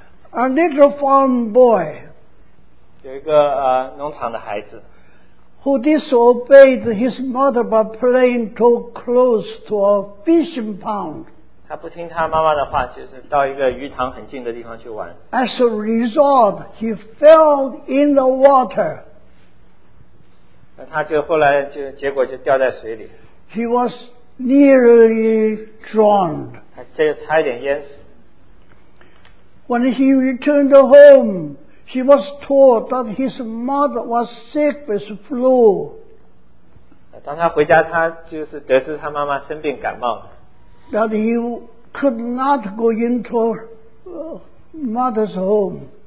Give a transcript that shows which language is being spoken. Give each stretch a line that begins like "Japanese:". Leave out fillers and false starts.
English: A little farm boy.
Chinese: 有一个, 农场的孩子,
English: who disobeyed his mother by playing too close to a fishing pond.
Chinese: 他不听他妈妈的话, 就是到一个鱼塘很近的地方去玩。
English: As a result, he fell in the water.
Chinese: 他就后来就结果就掉在水里。
English: He was nearly drowned.
Chinese: 他差点淹死。
English: When he returned home, she was told that his mother was sick with flu.
Chinese: 当他回家, 他就是得知他妈妈生病感冒,
English: that he could not go into mother's home.